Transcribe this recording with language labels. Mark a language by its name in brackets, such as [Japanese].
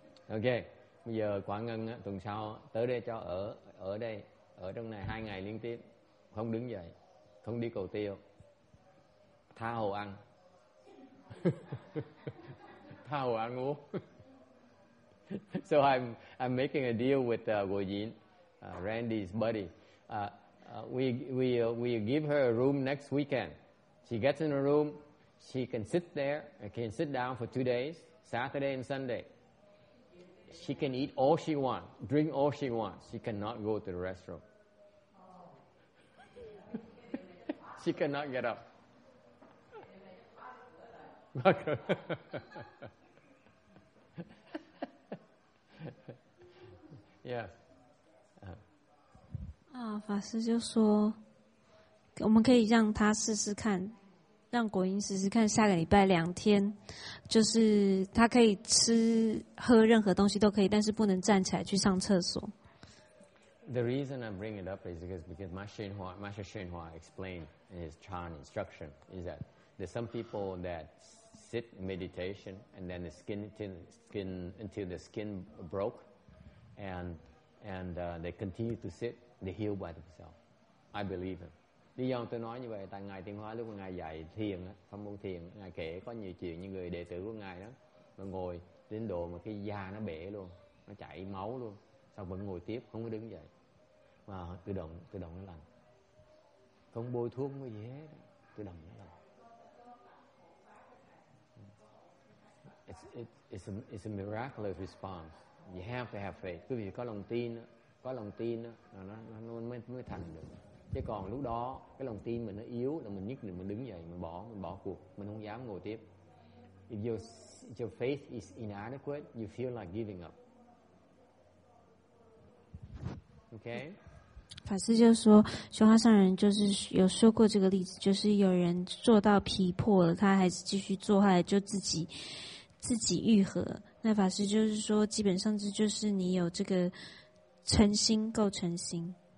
[Vietnamese] Okay, bây giờ Quảng Ngân tuần sau tới đây cho ở ở đây, ở trong này 2 ngày liên tiếp, không đứng dậy, không đi cầu tiêu, tha hồ ăn. Tha hồ ăn uống. [English] So I'm making a deal with Guo Yin, Randy's buddy. We give her a room next weekend. She gets in a room, she can sit there, can sit down for 2 days, Saturday and Sunday. She can eat all she wants, drink all she wants. She cannot go to the restroom. Oh. She cannot get up. Yes. [Chinese] 法师就说，我们可以让他试试看，让国英试试看，下个礼拜两天，就是他可以吃喝任何东西都可以，但是不能站起来去上厕所。 [English] The reason I bring it up is because Master Xuanhua explained in his Chan instruction is that there's some people that sit meditation and then the skin until the skin broke, and they continue to sit, they heal by themselves. I believe him. [Vietnamese] Lý do tôi nói như vậy tại Ngài Tiên Hóa lúc Ngài dạy thiền, pháp môn thiền, Ngài kể có nhiều chuyện như người đệ tử của Ngài đó, mà ngồi đến độ mà cái da nó bể luôn, nó chảy máu luôn, xong vẫn ngồi tiếp, không có đứng dậy. Mà tự động nó lành. Không bôi thuốc, không có gì hết, tự động nó lành. [English] It's a miraculous response. You have to have faith. [Vietnamese] Quý vị có lòng tin, nó mới thành được. Chứ còn lúc đó cái lòng tin mình nó yếu là mình nhất định mình đứng dậy mình bỏ cuộc, mình không dám ngồi tiếp. [English] If your faith is inadequate, you feel like giving up. Okay. [Chinese] 法师就说，雄华上人就是有说过这个例子，就是有人做到皮破了，他还是继续做，后来就自己愈合。那法师就是说，基本上这就是你有这个诚心，够诚心。